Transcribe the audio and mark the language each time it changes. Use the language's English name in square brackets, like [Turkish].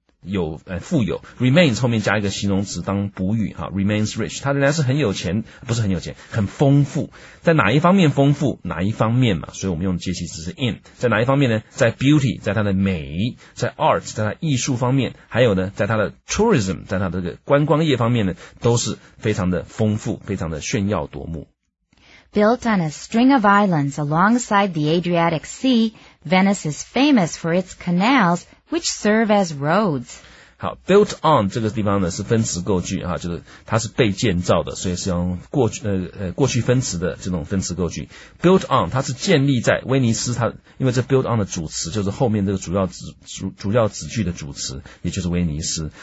[Chinese] 有富有， remains 后面加一个形容词当补语， remains rich， 他仍然是很有钱，不是很有钱，很丰富，在哪一方面丰富，哪一方面嘛，所以我们用介系词是 in， 在哪一方面呢，在 beauty， 在他的美，在 art， 在他艺术方面，还有呢在他的 tourism， 在他的这个观光业方面呢，都是非常的丰富，非常的炫耀夺目。 [English] Built on a string of islands alongside the Adriatic Sea, Venice is famous for its canals, which serve as roads. [Chinese] 好 ,built on 这个地方呢是分词构句啊，就是它是被建造的，所以是用过去分词的这种分词构句。 Built on, 它是建立在威尼斯，它因为这 built on 的主词就是后面这个主要子句的主词，也就是威尼斯。